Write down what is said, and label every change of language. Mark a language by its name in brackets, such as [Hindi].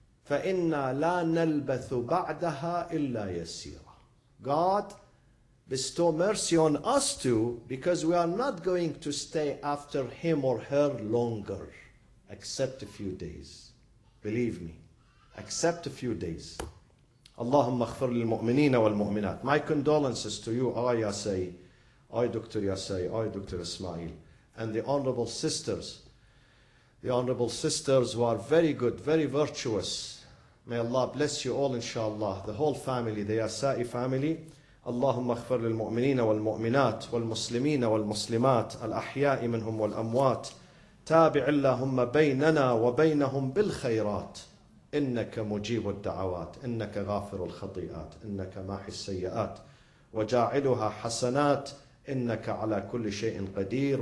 [Arabic] فَإِنَّا لَا نَلْبَثُ بَعْدَهَا إِلَّا يَسِيرًا. [English] God bestow mercy on us too, because we are not going to stay after him or her longer, except a few days. Believe me, except a few days. [Arabic] Allahumma اغفر للمؤمنين والمؤمنات. [English] My condolences to you, I Yasai, I Dr. Yasai, I Dr. Ismail, and the honorable sisters. The honorable sisters who are very good, very virtuous. May Allah bless you all, inshallah. The whole family, the Yasai family. [Arabic] Allahumma اغفر للمؤمنين والمؤمنات والمسلمين والمسلمات الأحياء منهم والأموات. تابع اللهم بيننا وبينهم بالخيرات. إنك مجيب الدعوات، إنك غافر الخطيئات، إنك ماحي السيئات وجاعلها حسنات، إنك على كل شيء قدير.